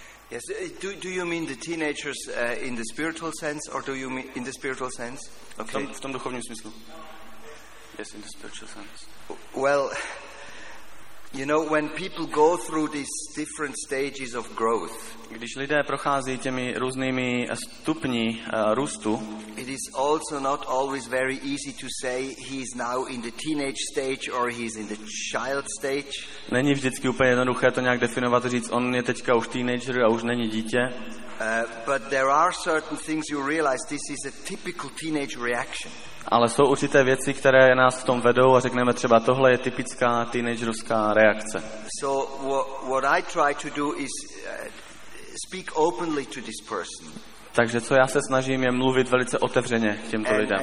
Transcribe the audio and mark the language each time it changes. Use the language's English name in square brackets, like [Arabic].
[English] Yes, do you mean the teenagers in the spiritual sense, or do you mean in the spiritual sense? Okay. [Czech] V tom duchovním smyslu. [English] Yes, in the spiritual sense. Well, You know, when people go through these different stages of growth, [Czech] když lidé prochází těmi různými stupni růstu, [English] it is also not always very easy to say he is now in the teenage stage or he is in the child stage. [Czech] Není vždycky úplně jednoduché to nějak definovat, říct, on je teďka už teenager a už není dítě. [English] But there are certain things you realize this is a typical teenage reaction. [Czech] Ale jsou určité věci, které nás v tom vedou a řekneme třeba, tohle je typická teenagerovská reakce. [English] So what I try to do is speak openly to this person. [Czech] Takže co já se snažím je mluvit velice otevřeně k těmto lidem.